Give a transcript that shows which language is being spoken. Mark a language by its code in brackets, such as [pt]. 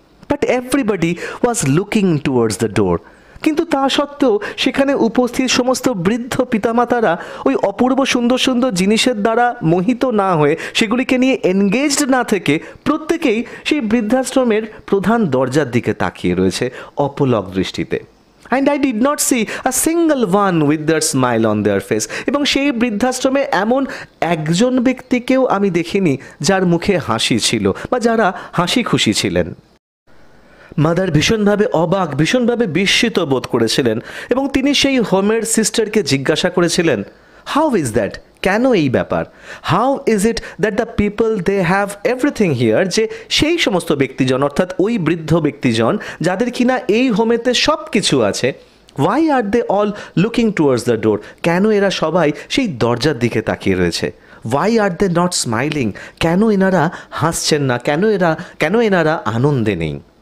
[en] but everybody was looking towards the door, [bn] কিন্তু তা সত্ত্বেও সেখানে উপস্থিত সমস্ত বৃদ্ধ পিতামাতারা ওই অপূর্ব সুন্দর সুন্দর জিনিসের দ্বারা মোহিত না হয়ে, সেগুলিকে নিয়ে এনগেজড না থেকে প্রত্যেকেই সেই বৃদ্ধাশ্রমের প্রধান দরজার দিকে তাকিয়ে রয়েছে অপলক দৃষ্টিতে। [en] And I did not see a single one with their smile on their face. [bn] এবং সেই বৃদ্ধাশ্রমে এমন একজন ব্যক্তিকেও আমি দেখিনি যার মুখে হাসি ছিল বা যারা হাসি খুশি ছিলেন। মাদার ভীষণভাবে অবাক, ভীষণভাবে বিস্মিত বোধ করেছিলেন এবং তিনি সেই হোমের সিস্টারকে জিজ্ঞাসা করেছিলেন, [en] how is that, [bn] কেন এই ব্যাপার, [en] how is it that the people they have everything here, [bn] যে সেই সমস্ত ব্যক্তিজন অর্থাৎ ওই বৃদ্ধ ব্যক্তিজন যাদের কিনা এই হোমেতে সব কিছু আছে, [en] why are they all looking towards the door, [bn] কেন এরা সবাই সেই দরজার দিকে তাকিয়ে রয়েছে, [en] why are they not smiling, [bn] কেন এনারা হাসছেন না, কেন এনারা আনন্দে নেই।